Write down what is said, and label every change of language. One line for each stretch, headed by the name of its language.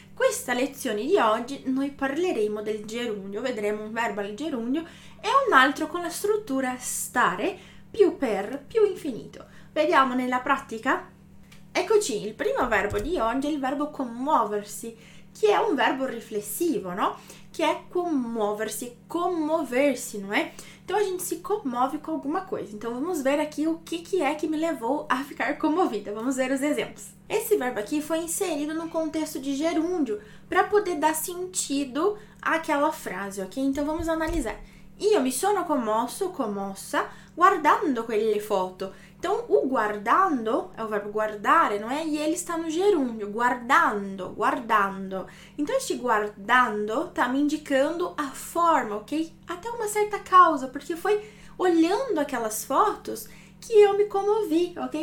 Italian: Questa lezione di oggi noi parleremo del gerundio, vedremo un verbo al gerundio e un altro con la struttura stare, più per, più infinito. Vediamo nella pratica. Eccoci, il primo verbo di oggi è il verbo commuoversi, che è un verbo riflessivo, no? Che è commuoversi, commoversi,
Portuguese: não é? Então a gente se comove com alguma coisa. Então vamos ver aqui o que que é que me levou a ficar comovida. Vamos ver os exemplos. Esse verbo aqui foi inserido no contexto de gerúndio para poder dar sentido àquela frase, ok? Então vamos analisar.
Italian: Io mi sono commosso, commossa, guardando quelle foto.
Portuguese: Então, o guardando é o verbo guardare, não é? E ele está no gerúndio, guardando, guardando. Então, este guardando está me indicando a forma, ok? Até uma certa causa, porque foi olhando aquelas fotos que eu me comovi, ok?